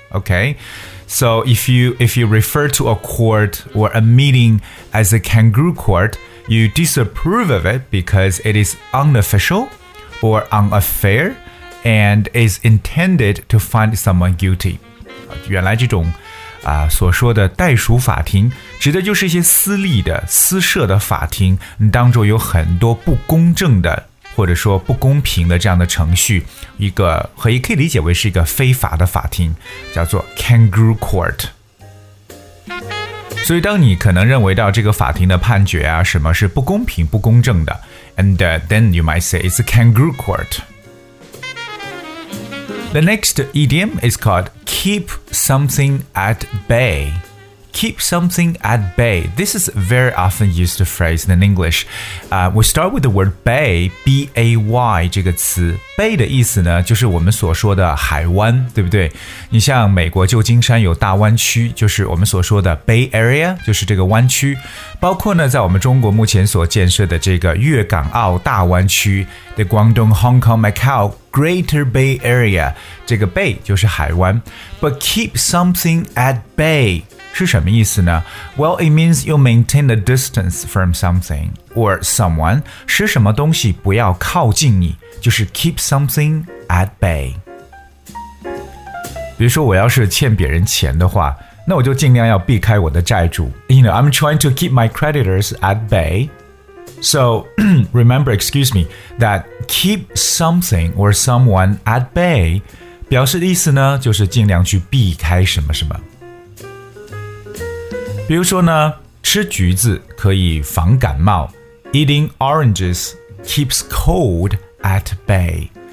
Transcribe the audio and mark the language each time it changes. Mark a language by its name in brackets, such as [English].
[English] Okay, so if you refer to a court or a meeting as a kangaroo court, you disapprove of it because it is unofficial or unfair and is intended to find someone guilty. [Chinese] 原来这种所说的袋鼠法庭指的就是一些私立的私设的法庭，当中有很多不公正的或者说不公平的这样的程序，一个可以理解为是一个非法的法庭，叫做 kangaroo court。所以当你可能认为到这个法庭的判决啊什么是不公平不公正的， [English] and then you might say it's a kangaroo court。 The next idiom is calledKeep something at bay. Keep something at bay. This is a very often used phrase in English. We start with the word bay, B-A-Y 这个词。 [Chinese] Bay 的意思呢，就是我们所说的海湾，对不对？你像美国旧金山有大湾区，就是我们所说的 Bay Area， 就是这个湾区。包括呢，在我们中国目前所建设的这个粤港澳大湾区 ，The Guangdong Hong Kong Macau Greater Bay Area， 这个 Bay 就是海湾。 [English] But keep something at bay [Chinese] 是什么意思呢 [English] ？Well, it means you maintain a distance from something or someone， [Chinese] 使什么东西不要靠近你。就是 keep something at bay。比如说我要是欠别人钱的话，那我就尽量要避开我的债主。 [English] You know, I'm trying to keep my creditors at bay. So, remember, excuse me, that keep something or someone at bay [Chinese] 表示的意思呢，就是尽量去避开什么什么。比如说呢，吃橘子可以防感冒， [English] Eating oranges keeps coldAt bay.